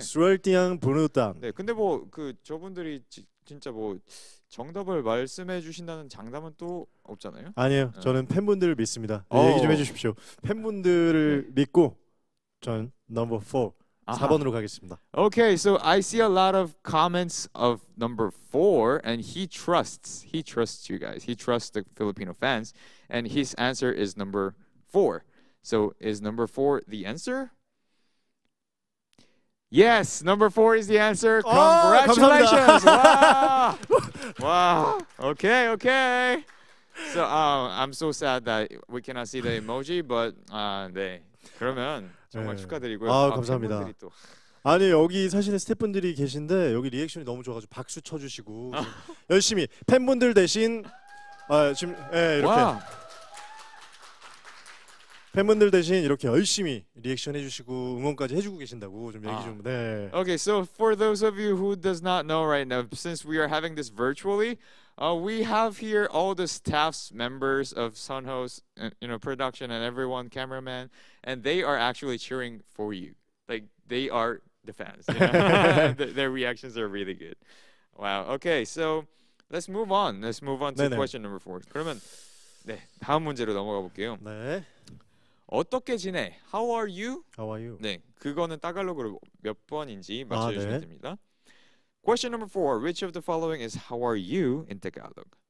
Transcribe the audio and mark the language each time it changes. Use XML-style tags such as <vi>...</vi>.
<tl>스웨르티항 분우단.</tl> <ko>네, 근데 뭐 그 저분들이 진짜 뭐 정답을 말씀해 주신다는 장담은 또 없잖아요. 아니요, 네. 저는 팬분들을 믿습니다. 네, 얘기 좀 해주십시오. 팬분들을 네. 믿고 전 넘버 4, 4번으로 가겠습니다.</ko> <en>Okay, so I see a lot of comments of number 4 and he trusts you guys. He trusts the Filipino fans. And his answer is number 4. So is number 4 the answer? Yes, number 4 is the answer. Congratulations!</en> <ko>오,</ko> <en>wow. Wow. Okay, okay. So I'm so sad that we cannot see the emoji, but</en> <ko>네. 그러면 정말 네. 축하드리고요. 아, 감사합니다. 또. 아니 여기 사실 스태프분들이 계신데 여기 리액션이 너무 좋아가지고 박수 쳐주시고 열심히 팬분들 대신 지금 예 네, 이렇게. 와. 팬분들 대신 이렇게 열심히 리액션 해주시고 응원까지 해주고 계신다고 좀 얘기 좀 네.</ko> <en>Okay, so for those of you who does not know right now, since we are having this virtually, we have here all the staffs members of Sonho's, you know, production and everyone, cameraman, and they are actually cheering for you. Like they are the fans. You know? Their reactions are really good. Wow. Okay, so let's move on. Let's move on to</en> <ko>네네.</ko> <en>question number 4.</en> <ko>그러면 네 다음 문제로 넘어가 볼게요. 네. 어떻게 지내?</ko> <en>How are you? How are you?</en> <ko>네, 그거는 따갈로그로 몇 번인지 맞춰주시면 아, 네. 됩니다.</ko> <en>Question number 4. Which of the following is how are you in Tagalog?</en>